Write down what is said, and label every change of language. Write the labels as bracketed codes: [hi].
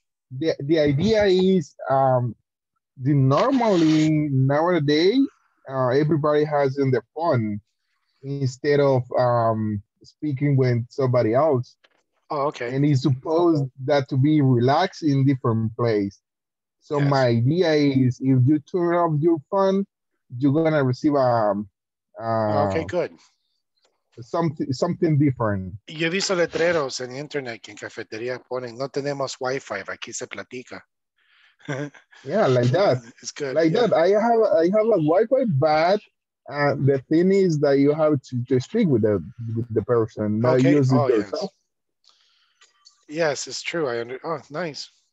[en] the idea is normally nowadays everybody has in their phone instead of speaking with somebody else. Oh, okay. And it's supposed that to be relaxed in different place. So yes. My idea is if you turn off your phone, you're gonna receive okay, good. Something different. [es] Yo he visto letreros en internet que en cafetería ponen, no tenemos Wi-Fi, aquí se platica. [en] Yeah, like that. It's good. Like yeah. That. I have a Wi-Fi, but the thing is that you have to speak with the person, not okay. Use it yourself. Yes. Yes, it's true. I under. Oh, nice.